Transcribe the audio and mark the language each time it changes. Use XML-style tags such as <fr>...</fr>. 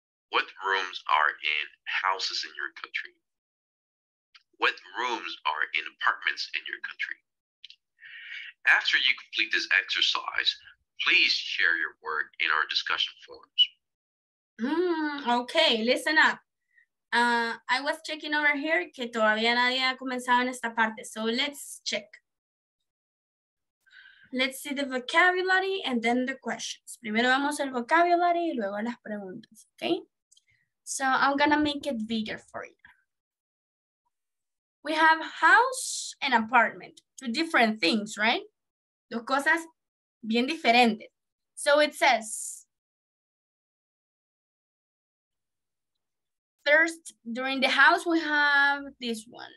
<en>What rooms are in houses in your country? What rooms are in apartments in your country? After you complete this exercise, please share your work in our discussion forums. Okay, listen up. I was checking over here</en> <es>que todavía nadie ha comenzado en esta parte.</es> <en>So let's check. Let's see the vocabulary and then the questions.</en> <es>Primero vamos el vocabulary y luego las preguntas, okay?</es> <en>So I'm gonna make it bigger for you. We have house and apartment, two different things, right?</en> <es>Dos cosas bien diferentes.</es> <en>So it says, first, during the house, we have this one.</en>